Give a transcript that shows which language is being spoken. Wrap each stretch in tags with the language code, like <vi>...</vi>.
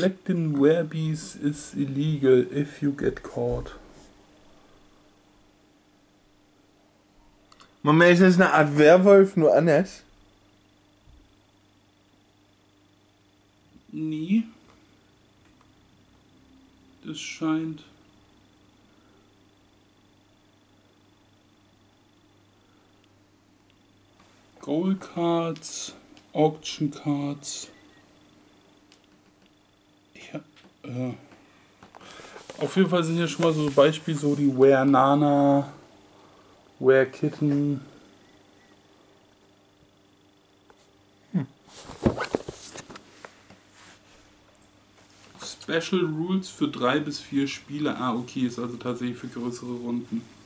<en>Collecting Werebees is illegal if you get caught.</en> <de>Moment, ist das eine Art Werwolf, nur anders? Nie. Das scheint.</de> <en>Gold Cards, Auction Cards.</en> <de>Auf jeden Fall sind hier schon mal so Beispiele, so die Wear Nana, Wear Kitten. Special Rules für 3 bis 4 Spieler. Ah, okay, ist also tatsächlich für größere Runden.</de>